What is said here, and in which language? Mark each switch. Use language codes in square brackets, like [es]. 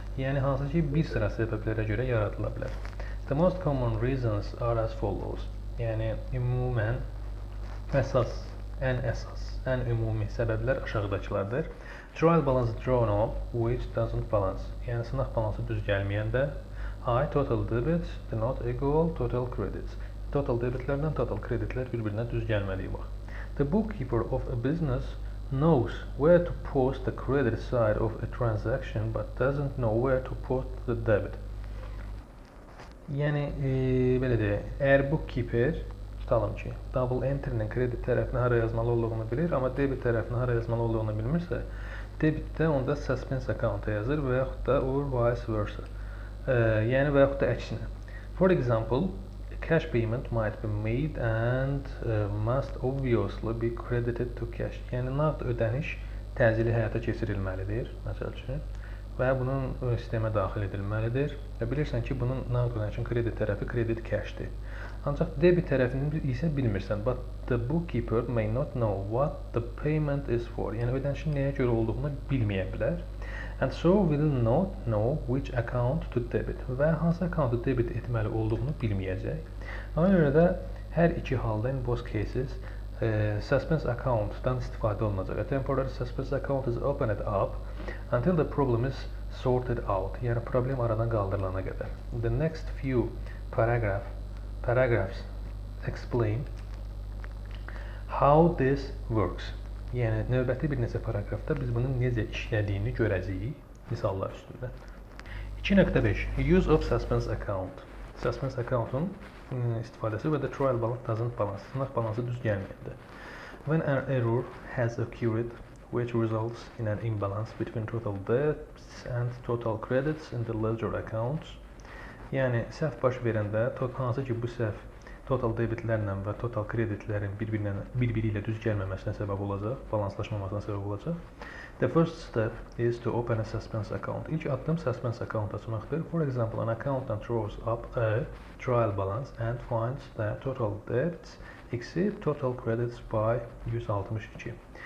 [az] Yəni, hansı ki, bir sıra səbəblərə görə yaradıla bilər. [en] The most common reasons are as follows. [az] Yəni, ümumən, əsas, ən ümumi səbəblər aşağıdakılardır. [en] Trial balance drawn up, which doesn't balance. [az] Yəni, sınaq balansı düz gəlməyəndə. [en] I, total debits, do not equal total credits. [az] Total debitlərdən total kreditlər bir-birinə düz gəlmədiyi vaxt. [en] The bookkeeper of a business knows where to post the credit side of a transaction, but doesn't know where to post the debit. [az] Yəni, belə deyək, əgər bookkeeper, tutalım ki, double entry-nin kredit tərəfini hara yazmalı olduğunu bilir, amma debit tərəfini hara yazmalı olduğunu bilmirsə, debitdə onda suspense account-a yazır və yaxud da [en] or vice versa. [az] Yəni, və yaxud da əksinə. [en] For example, cash payment might be made and must obviously be credited to cash. [az] Yəni, nağd ödəniş təzili həyata keçirilməlidir, məsəl üçün. Və bunun sistemə daxil edilməlidir. Və bilirsən ki, bunun nağd ödənişin kredit tərəfi kredit cashdir. Ancaq debit tərəfini isə bilmirsən. [en] But the bookkeeper may not know what the payment is for. [az] Yəni, ödənişin nəyə görə olduğunu bilməyə bilər. [en] And so will not know which account to debit. [az] Və hansı accountu debit etməli olduğunu bilməyəcək. Ona görə də hər iki halda, [en] in both cases, [az] suspense accountdan istifadə olunacaq. [en] A temporary suspense account is opened up until the problem is sorted out, [tr] yani problem aradan kaldırılana kadar. [en] The next few paragraphs explain how this works. [az] Yani növbəti bir neçə paragrafda biz bunun necə işlədiyini görəcəyik misallar üstündə. [en] 2.5 Use of suspense account. [az] Suspense account-un istifadəsi və [en] the trial balance doesn't balance. [az] Sınav balansı düz gəlməyəndə. [en] When an error has occurred which results in an imbalance between total debts and total credits in the ledger accounts. [az] Yəni səhv baş verəndə, hansı ki bu səhv total debitlərlə və total kreditlərin bir-biri ilə düz gəlməməsinə səbəb olacaq, balanslaşmamasına səbəb olacaq. [en] The first step is to open a suspense account. [az] İlk addım suspense account açmaqdır. [en] For example, an accountant draws up a trial balance and finds that total debts exceed total credits by 162.